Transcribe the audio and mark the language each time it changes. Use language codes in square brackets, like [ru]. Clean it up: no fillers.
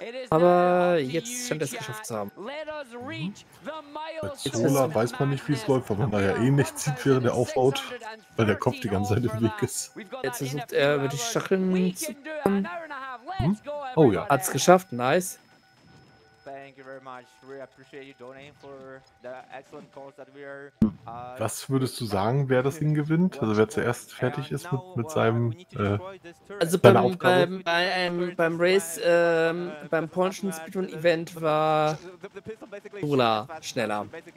[de] Aber jetzt scheint er es geschafft zu haben. Bei zolaa weiß man nicht, wie es läuft, weil man da ja eh nicht sieht, während er aufbaut, weil der Kopf die ganze Zeit im Weg ist. Jetzt versucht er über die Schacheln zu kommen. Oh ja. Hat es geschafft, nice. [en] much. We appreciate you donating for the excellent cause that we are. [de] Was würdest du sagen, wer das Ding gewinnt? Also wer zuerst fertig ist mit seinem also seiner Aufgabe? Beim Race, beim Porsche Speedrun Event war Zola schneller.